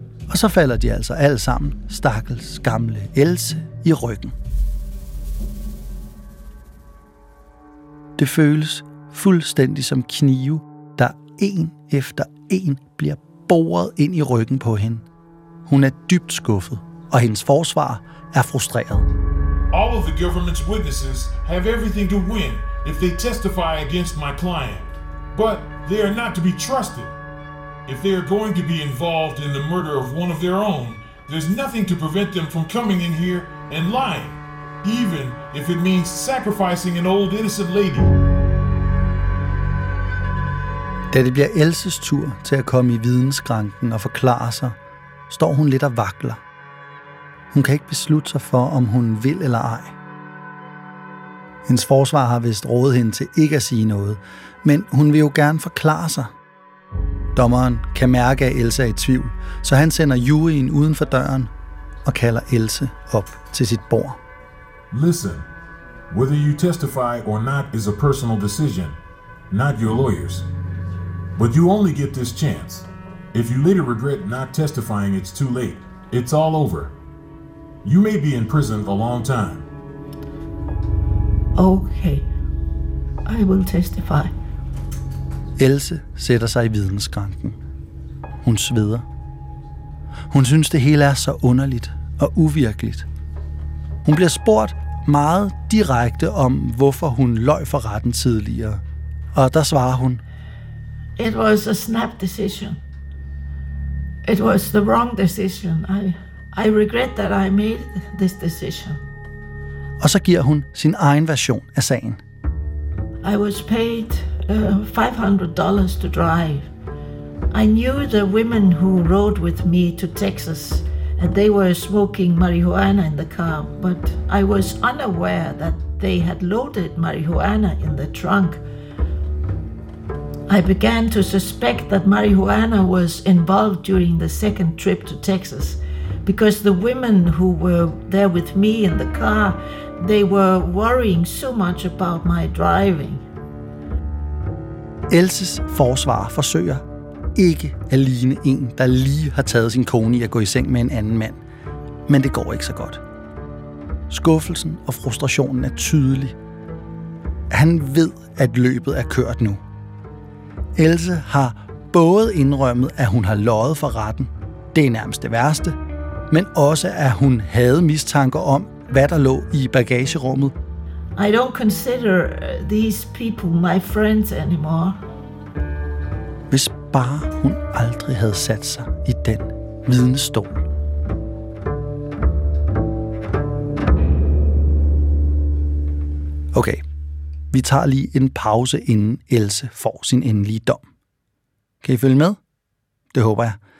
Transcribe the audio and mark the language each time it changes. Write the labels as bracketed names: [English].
[Danish] Og så falder de altså alle sammen, stakkels gamle Else, i ryggen. Det føles fuldstændig som knive, der en efter en bliver boret ind i ryggen på hende. Hun er dybt skuffet, og hendes forsvar er frustreret. [English] All of the government's witnesses have everything to win if they testify against my client. But they are not to be trusted. If they are going to be involved in the murder of one of their own, there's nothing to prevent them from coming in here and lying, even if it means sacrificing an old innocent lady. [Danish] Da det bliver Elses tur til at komme i vidensskranken og forklare sig, står hun lidt og vakler. Hun kan ikke beslutte sig for, om hun vil eller ej. Hendes forsvar har vist rådet hende til ikke at sige noget, men hun vil jo gerne forklare sig. Dommeren kan mærke, at Else er i tvivl, så han sender juryen uden for døren og kalder Else op til sit bord. [English] Listen, whether you testify or not is a personal decision, not your lawyers. But you only get this chance. If you later regret not testifying, it's too late. It's all over. You may be in prison a long time. Okay. I will testify. [Danish] Else sætter sig i vidensskranken. Hun sveder. Hun synes, det hele er så underligt og uvirkeligt. Hun bliver spurgt meget direkte om, hvorfor hun løj for retten tidligere. Og der svarer hun. [English] It was a snap decision. It was the wrong decision. I regret that I made this decision. [Danish] Og så giver hun sin egen version af sagen. [English] I was paid $500 to drive. I knew the women who rode with me to Texas, and they were smoking marijuana in the car, but I was unaware that they had loaded marijuana in the trunk. I began to suspect that marijuana was involved during the second trip to Texas. Because the women who were there with me in the car, they were worrying so much about my driving. [Danish] Elses forsvar forsøger ikke at ligne en, der lige har taget sin kone i at gå i seng med en anden mand. Men det går ikke så godt. Skuffelsen og frustrationen er tydelig. Han ved, at løbet er kørt nu. Else har både indrømmet, at hun har løjet for retten, det er nærmest det værste, men også, at hun havde mistanker om, hvad der lå i bagagerummet. [English] I don't consider these people my friends anymore. [Danish] Hvis bare hun aldrig havde sat sig i den vidnestol. Okay, vi tager lige en pause, inden Else får sin endelige dom. Kan I følge med? Det håber jeg.